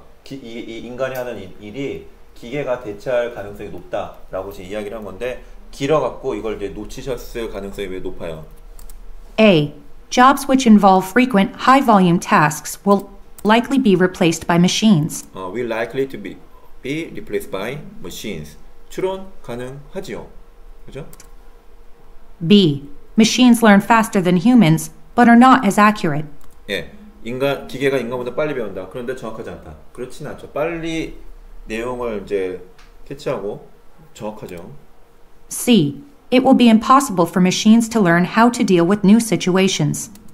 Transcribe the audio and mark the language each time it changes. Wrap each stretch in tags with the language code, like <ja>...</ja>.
<ko>이 인간이 하는 일이 기계가 대체할 가능성이 높다라고 지금 이야기를 한 건데, 길어갖고 이걸 이제 놓치셨을 가능성이 왜 높아요? A.</ko> <en>Jobs which involve frequent high volume tasks will likely be replaced by machines. Will likely to be replaced by machines.</en> <ko>추론 가능하지요. 그죠? B.</ko> <en>Machines learn faster than humans, but are not as accurate.</en> <ko>예. 기계가 인간보다 빨리 배운다. 그런데 정확하지 않다. 그렇진 않죠. 빨리 내용을 이제 캐치하고 정확하죠. C.</ko> <en>It will be impossible for machines to learn how to deal with new situations.</en>